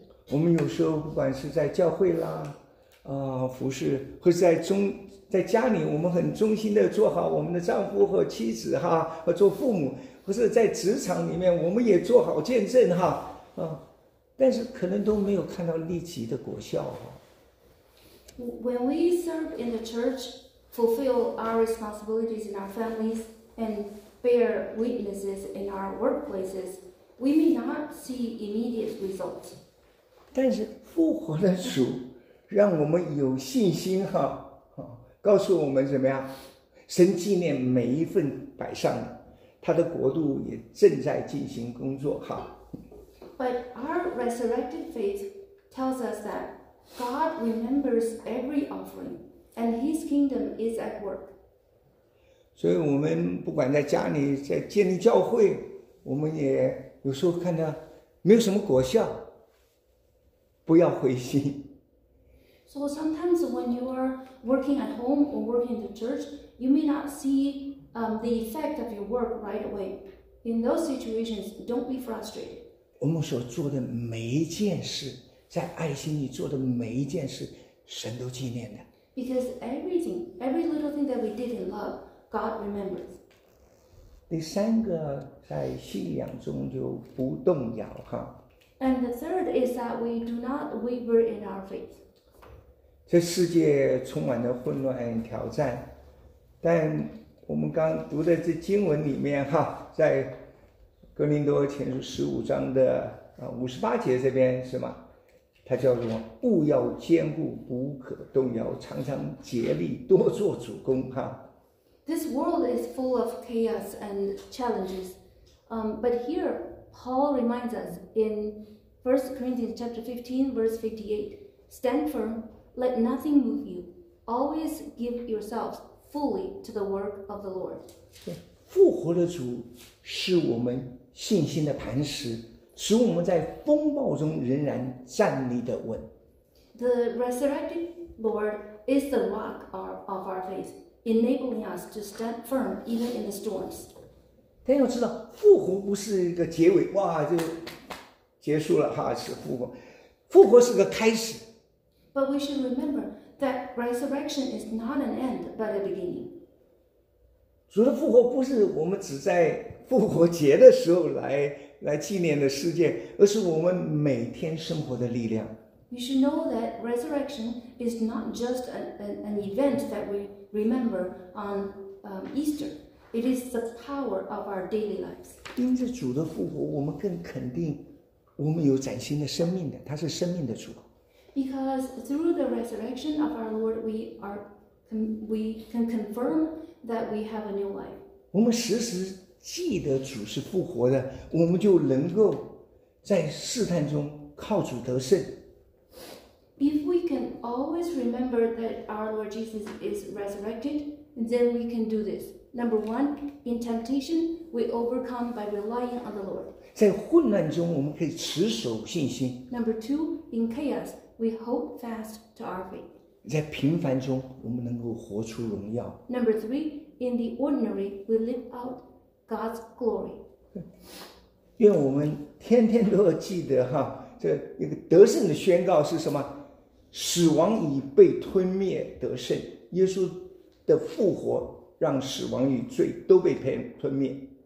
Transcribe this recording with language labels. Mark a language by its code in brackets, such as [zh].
[zh] 我们有时候不管是在教会啦，服侍，或是在家里，我们很忠心的做好我们的丈夫和妻子哈，和做父母，或是在职场里面，我们也做好见证哈，但是可能都没有看到立即的果效哈。 [en] When we serve in the church, fulfill our responsibilities in our families, and bear witnesses in our workplaces, we may not see immediate results. [zh] 但是复活的主让我们有信心哈，告诉我们怎么样，神纪念每一份摆上的，他的国度也正在进行工作哈。 [en] But our resurrected faith tells us that. God remembers every offering, and His kingdom is at work. [zh] 所以我们不管在家里在建立教会，我们也有时候看到没有什么果效，不要灰心。 [en] So sometimes when you are working at home or working in the church, you may not see the effect of your work right away. In those situations, don't be frustrated. [zh] 我们所做的每一件事，在爱心里做的每一件事，神都纪念的。 [en] Because everything, every little thing that we did in love, God remembers. [zh] 第三个在信仰中就不动摇哈。 [en] And the third is that we do not waver in our faith. [zh] 这世界充满了混乱挑战，但我们刚读的这经文里面哈，在哥林多前书十五章的58节这边是吗？它叫什么？务要坚固，不可动摇，常常竭力，多做主工哈。 [en] This world is full of chaos and challenges, but here Paul reminds us in 1 Corinthians chapter 15, verse 58, stand firm, let nothing move you, always give yourselves fully to the work of the Lord. [zh] 复活的主是我们信心的磐石，使我们在风暴中仍然站立得稳。 [en] The resurrected Lord is the rock of our faith. Enabling us to stand firm even in the storms. [zh] 但要知道，复活不是一个结尾，哇，就结束了哈，是复活。复活是个开始。 [en] But we should remember that resurrection is not an end, but a beginning. [zh] 主的复活不是我们只在复活节的时候来纪念的事件，而是我们每天生活的力量。 [en] We should know that resurrection is not just an event that we remember on Easter. It is the power of our daily lives. [zh] 因着主的复活，我们更肯定我们有崭新的生命的，他是生命的主。 [en] Because through the resurrection of our Lord, we can confirm that we have a new life. [zh] 我们时时记得主是复活的，我们就能够在试探中靠主得胜。 [en] If we can always remember that our Lord Jesus is resurrected, then we can do this. Number one, in temptation, we overcome by relying on the Lord. [zh] 在混乱中，我们可以持守信心。 [en] Number two, in chaos, we hold fast to our faith. [zh] 在平凡中，我们能够活出荣耀。 [en] Number three, in the ordinary, we live out God's glory. [zh] 愿我们天天都要记得哈，这一个得胜的宣告是什么？死亡已被吞灭得胜，耶稣的复活让死亡与罪都被吞灭。